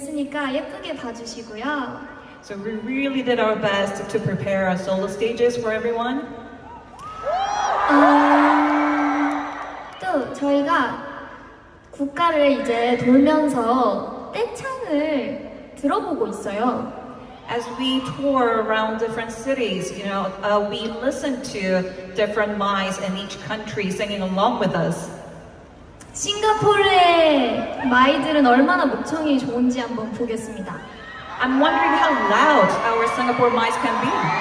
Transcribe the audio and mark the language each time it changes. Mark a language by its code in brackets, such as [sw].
[en] So we really did our best to prepare our solo stages for everyone. [ko] 또 저희가 국가를 이제 돌면서 떼창을 들어보고 있어요. [en] As we tour around different cities, you know, we listen to different mice in each country singing along with us. [ko] 싱가포르의 마이들은 얼마나 목청이 좋은지 한번 보겠습니다. [en] I'm wondering how loud our Singapore mice can be.